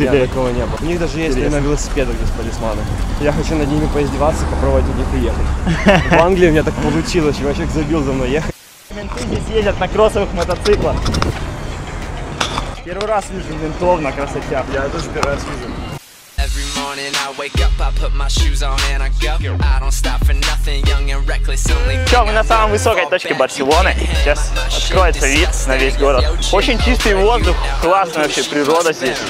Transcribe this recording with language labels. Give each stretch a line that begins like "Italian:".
Russian: или... Нет, такого не было. У них даже есть на велосипедах, без полисмана. Я хочу над ними поиздеваться, попробовать у них уехать. В Англии у меня так получилось, человек забил за мной ехать. Менты здесь ездят на кроссовых мотоциклах. Первый раз вижу ментов на красоте. Я тоже первый раз вижу.
English: Every morning I wake up, I put my shoes on and I go. I don't stop for nothing, young and reckless.
Russian: Чё, мы на самой высокой точке Барселоны. Сейчас откроется вид на весь город. Очень чистый воздух, классная вообще природа здесь.